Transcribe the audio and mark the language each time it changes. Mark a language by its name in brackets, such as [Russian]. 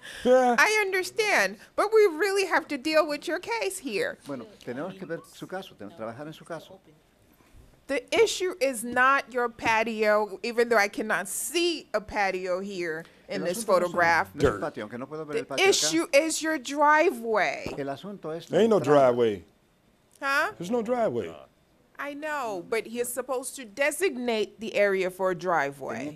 [English] I understand, but we really have to deal with your case here. [Spanish] Bueno, tenemos que ver su caso, tenemos que trabajar en su caso. [English] The issue is not your patio, even though I cannot see a patio here in this photograph. The issue is your driveway. There ain't no driveway. Huh? There's no driveway. I know, but he is supposed to designate the area for a driveway.